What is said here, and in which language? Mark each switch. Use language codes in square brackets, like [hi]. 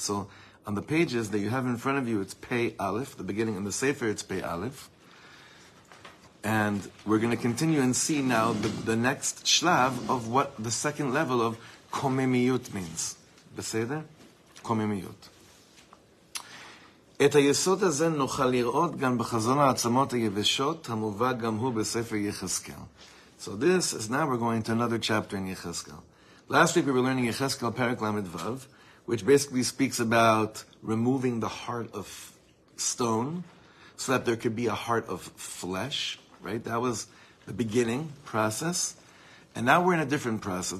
[en] So on the pages that you have in front of you, it's Pei Aleph, the beginning in the Sefer, it's Pei Aleph. And we're going to continue and see now the next shlav of what the second level of komemiyut means. Beseder? Komemiyut. [he] את היסוד הזה נוכל לראות גם בחזון העצמות היבשות, המובא גם הוא בספר יחזקאל. [en] So this is now we're going to another chapter in יחזקאל. Last week we were learning [he] יחזקאל פרק למד וב, [en] which basically speaks about removing the heart of stone so that there could be a heart of flesh, right? That was the beginning process. And now we're in a different process.